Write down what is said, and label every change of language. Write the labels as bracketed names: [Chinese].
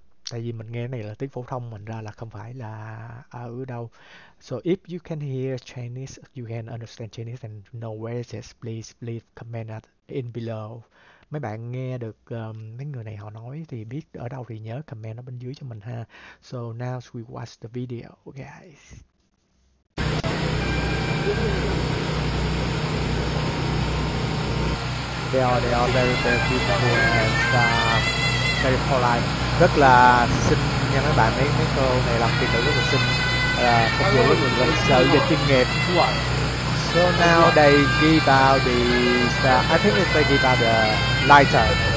[Vietnamese] Tại vì mình nghe này là tiếng phổ thông mình ra là không phải là ở đâu. [English] So if you can hear Chinese, you can understand Chinese and know where it is, please please comment in below. [Vietnamese] Mấy bạn nghe được mấy người này họ nói thì biết ở đâu thì nhớ comment ở bên dưới cho mình ha. [English] So now we watch the video guys. They are very very beautiful and very polite. [Vietnamese] Rất là xinh nha mấy bạn, mấy cô này làm việc rất là xinh, phục vụ rất là lịch sự và chuyên nghiệp. [English] So now they give out the I think it's they give out the lighter.